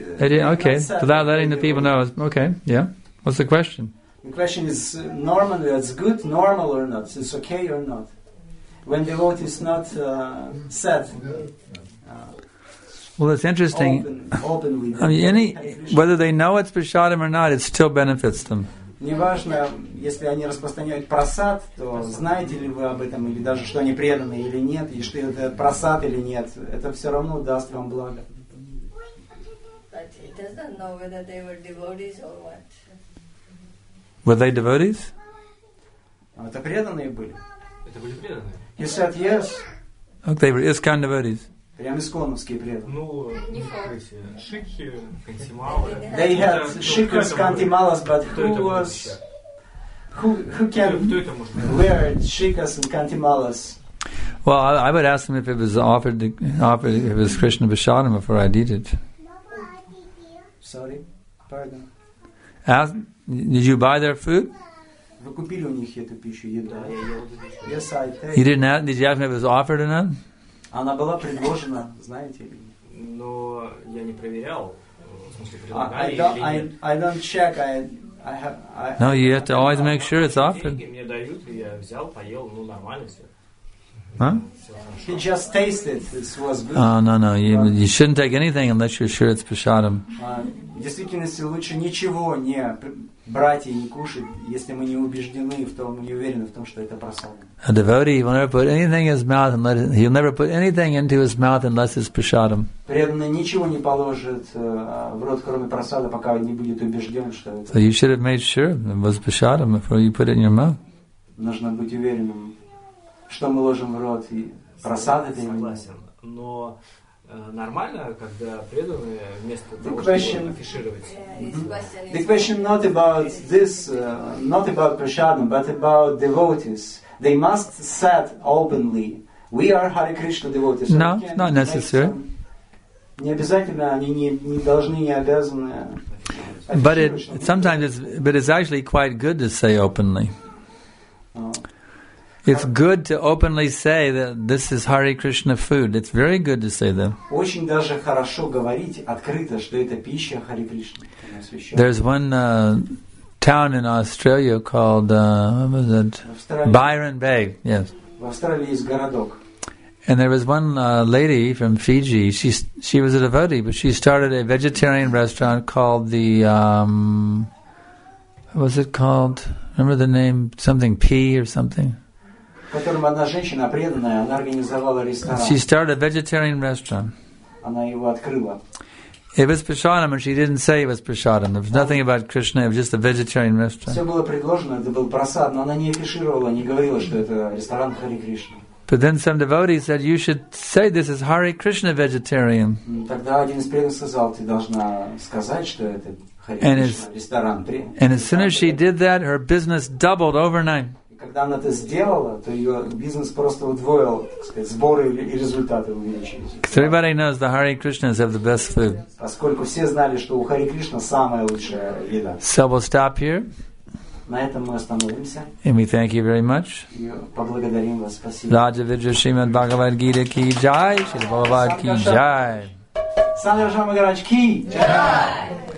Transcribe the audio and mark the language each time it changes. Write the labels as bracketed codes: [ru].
[en] Without letting the people know. Okay. Yeah. What's the question? The question is normally that's good, normal or not? It's okay or not? When devotees not said. Well, it's interesting. Open with. I mean, whether they know it's prasadam or not, it still benefits them. [ru] Неважно, если они распространяют просад, то знаете ли вы об этом, или даже что они преданы или нет, и что это просад или нет, это все равно даст вам благо. [en] But it doesn't know whether they were devotees or what. Were they devotees? [ru] Это преданные были. Это были преданные. [en] He said yes. Okay, they were ISKCON devotees. [ru] Прям исконовские преданные. Ну, шикхи, кантималы. [en] They had шикхас, кантималас, but who can wear шикхас and кантималас? Well, I would ask them if it was offered if it was Krishna Vishadam before I'd eat it. Sorry, pardon. Ask, did you buy their food? [ru] Вы купили у них эту пищу, еда? [en] Yes, I did. You didn't ask, did you ask them if it was offered or not? [ru] Она была предложена, знаете ли. Но я не проверял, в смысле, предлагали или нет. [en] I don't check, I have... No, you have to always make sure it's offered. [ru] Деньги мне дают, и я взял, поел, ну, нормально все. [en] He just tasted, this was good. Oh, no, you shouldn't take anything unless you're sure it's prasadam. [ru] В действительности лучше ничего не брать и не кушать, если мы не убеждены в том, не уверены в том, что это прасад. [en] A devotee will never put anything in his mouth unless he'll never put anything into his mouth unless it's prasadam. [ru] Преданный ничего не положит в рот, кроме прасада, пока не будет убежден, что это. [en] So you should have made sure it was prasadam before you put it in your mouth. [ru] Нужно быть уверенным, что мы ложим в рот, и просад это или нет. Но нормально, когда преданные вместо того, чтобы афишировать. [en] The question not about this, not about prasadam, but about devotees. They must say openly, we are Hare Krishna devotees. No, not necessary. [ru] Не обязательно, они не должны, не обязаны. [en] But it's actually quite good to say openly. It's good to openly say that this is Hare Krishna food. It's very good to say that. [ru] Очень даже хорошо говорить открыто, что это пища Hare Krishna. [en] There's one town in Australia called what was it? Byron Bay. Yes. [ru] В Австралии есть городок. [en] And there was one lady from Fiji. She was a devotee, but she started a vegetarian restaurant called the what was it called? Remember the name? Something P or something. [ru] Которым одна женщина преданная, она организовала ресторан. [en] She started a vegetarian restaurant. [ru] Она его открыла. [en] It was prasadam, and she didn't say it was prasadam. There was nothing about Krishna. It was just a vegetarian restaurant. [ru] Все было предложено, это был прасад, но она не афишировала, не говорила, что это ресторан Хари Кришна. [en] But then some devotee said, "You should say this is Hare Krishna vegetarian." [ru] Тогда один из преданных сказал, ты должна сказать, что это Хари Кришна ресторан. [en] And as soon as she did that, her business doubled overnight. [ru] Когда она это сделала, то ее бизнес просто удвоил, так сказать, сборы и результаты увеличились. [en] So everybody knows the Hare Krishnas have the best food. [ru] Поскольку все знали, что у Хари Кришна самая лучшая еда. [en] So we'll stop here. [ru] На этом мы остановимся. [en] And we thank you very much. [ru] Поблагодарим вас, спасибо. [sa] Раджа Виджа Шримад Бхагавад Гита Ки Джай, Шри Бхагавад Ки Джай. Санджа Шамагарач Ки Джай.